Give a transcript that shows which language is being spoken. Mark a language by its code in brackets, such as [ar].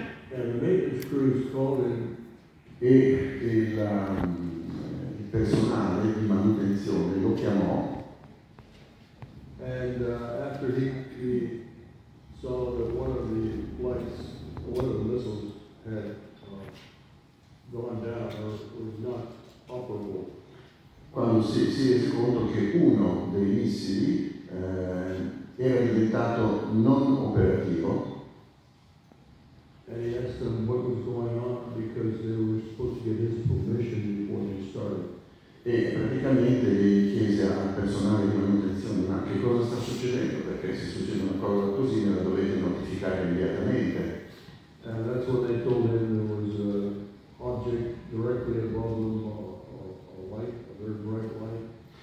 [en] And the maintenance crews called in. [it] E il personale di manutenzione lo chiamò. [en] And after he saw that one of the flights, one of the missiles had gone down or was not operable. [it] Quando si rese conto che uno dei missili era diventato non operativo. [en] And he asked them what was going on because they were supposed to get his permission before they started. [it] E praticamente gli chiese al personale di manutenzione, ma che cosa sta succedendo? Perché se succede una cosa così me la dovete notificare immediatamente. [en] And that's what they told him, there was an object directly above them, a light, a very bright light.